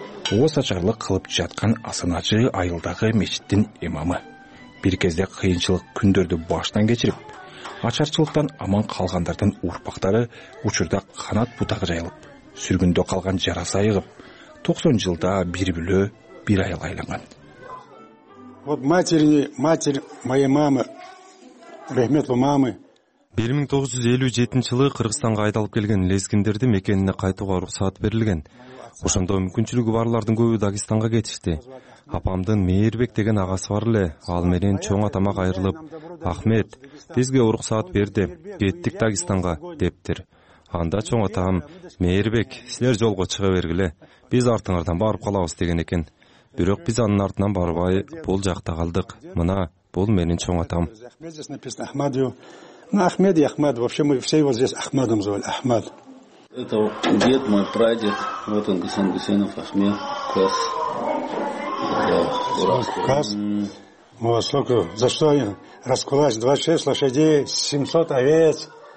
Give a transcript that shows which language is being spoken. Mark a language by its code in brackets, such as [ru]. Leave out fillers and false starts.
[ky] Оос ачарлык кылып жаткан Асаначы айылдагы мечиттин имамы. Бир кезде кыйынчылык күндөрдү баштан кечирип, ачарчылыктан аман калгандардын урпактары учурда канат бутагы жайылып, сүргүндө калган жарасы айыгып, 90 жылда бир бүлө бир айыл айланган. [ru] Вот матерь моей мамы, рахметлу мамы. [ky] 1957-жылы Кыргызстанга айдалып келген лезгиндерди мекенине кайтууга уруксат берилген. Ошондо мүмкүнчүлүгү барлардын көбү Дагестанга кетишти. Апамдын Мээрбек деген агасы бар эле, ал менен чоң атама кайрылып, Ахмет, бизге уруксат берди, кеттик Дагестанга дептир. Анда чоң атам, Мээрбек, силер жолго чыга бергиле, биз артыңардан барып калабыз деген экен. Бирок биз анын артынан барбай, бул жакта калдык. Мына, бул менин чоң атам. [ru] Ахмед и Ахмед. Вообще, мы все его здесь Ахмедом звали. Ахмед. Это дед мой, прадед. Вот он, Гасан Гусейнов, Ахмед. Кас. Кас? Вот сколько? За что? Раскулач, 26 лошадей, 700 овец.